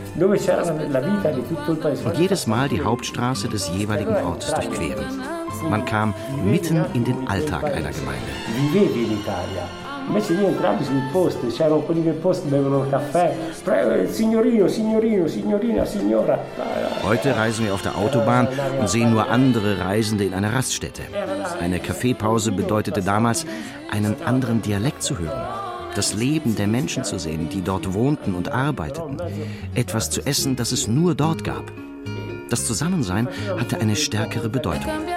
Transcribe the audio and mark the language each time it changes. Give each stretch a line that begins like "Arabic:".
German: Und jedes Mal die Hauptstraße des jeweiligen Ortes durchqueren. Man kam mitten in den Alltag einer Gemeinde.
Italian: Vivevi in Italia. Invece io entravo sul posto, c'erano quelli che posto bevono caffè. Signorino, signorino, signorina, signora.
German: Heute reisen wir auf der Autobahn und sehen nur andere Reisende in einer Raststätte. Eine Kaffeepause bedeutete damals, einen anderen Dialekt zu hören. Das Leben der Menschen zu sehen, die dort wohnten und arbeiteten. Etwas zu essen, das es nur dort gab. Das Zusammensein hatte eine stärkere Bedeutung.